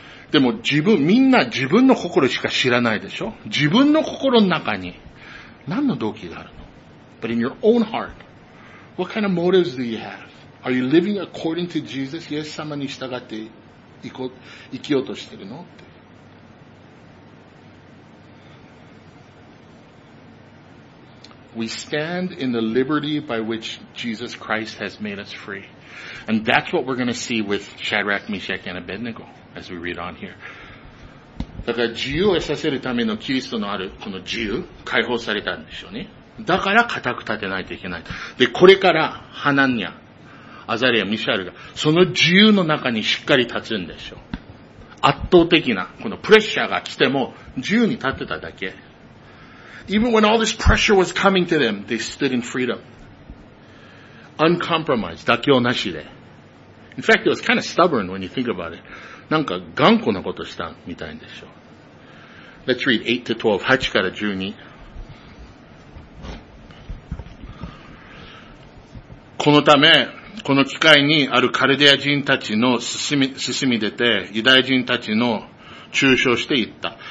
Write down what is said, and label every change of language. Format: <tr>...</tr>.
<ja>でも みんな自分の心しか知らないでしょ。自分の心の中に何の動機があるの。</ja> <en>But in your own heart,What kind of motives do you have? Are you living according to Jesus?</en> <ja>イエス様に従って生きようとしてるの？って。</ja> <en>We stand in the liberty by which Jesus Christ has made us free. And that's what we're going to see with Shadrach, Meshach, and Abednego as we read on here.</en> <ja>だから自由を得させるためのキリストのあるこの自由、解放されたんでしょうね。だから固く立てないといけない。で、これからハナニア、アザリア、ミシャルがその自由の中にしっかり立つんでしょう。圧倒的なこのプレッシャーが来ても自由に立ってただけ。</ja> <en>Even when all this pressure was coming to them, they stood in freedom. Uncompromised,</en> <ja>妥協なしで。</ja> <en>In fact, it was kind of stubborn when you think about it.</en> <ja>なんか頑固なことしたみたいんでしょう。</ja> <en>Let's read 8 to 12,</en> <ja>8から12。このため、この機会にあるカルデア人たちの進み出て、ユダヤ人たちの中傷していった。</ja>